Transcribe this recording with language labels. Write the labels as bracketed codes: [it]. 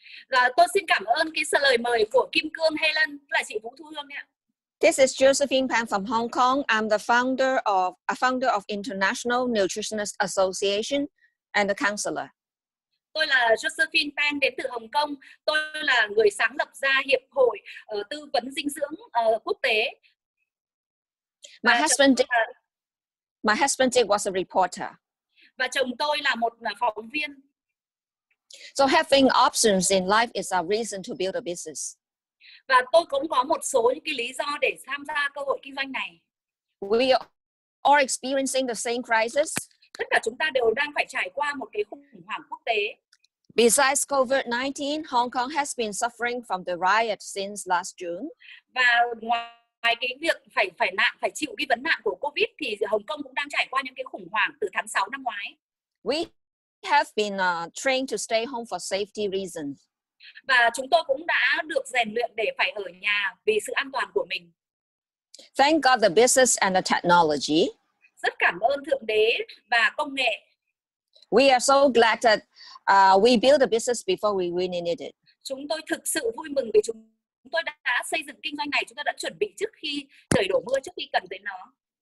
[vi] Tôi xin cảm ơn cái sự lời mời của Kim Cương Helen là chị Vũ Thu Hương nha. [en] This is Josephine Pan from Hong Kong. I'm the founder of a founder of International Nutritionist Association and a counselor. [vi] Tôi là Josephine Pan đến từ Hồng Kông. Tôi là người sáng lập ra hiệp hội tư vấn dinh dư�ng quốc tế. [en] My husband Dick was a reporter. [vi] Và chồng tôi là một phóng viên. [en] So having options in life is a reason to build a business. [vi] Và tôi cũng có một số những cái lý do để tham gia cơ hội kinh doanh này. [en] We are experiencing the same crisis. [vi] Tất cả chúng ta đều đang phải trải qua một cái khủng hoảng quốc tế. [en] Besides COVID-19, Hong Kong has been suffering from the riot since last June. [vi] Và ngoài cái việc phải chịu cái vấn nạn của COVID thì Hồng Kông cũng đang trải qua những cái khủng hoảng từ tháng 6 năm ngoái. [en] We have been trained to stay home for safety reasons. [vi] Và chúng tôi cũng đã được rèn luyện để phải ở nhà vì sự an toàn của mình. [en] Thank God the business and the technology. [vi] Rất cảm ơn Thượng Đế và công nghệ. [en] We are so glad that we built a business before we really needed it. [vi] Chúng tôi thực sự vui mừng vì chúng tôi đã xây dựng kinh doanh này, chúng tôi đã chuẩn bị trước khi trời đổ mưa, trước khi cần tới nó.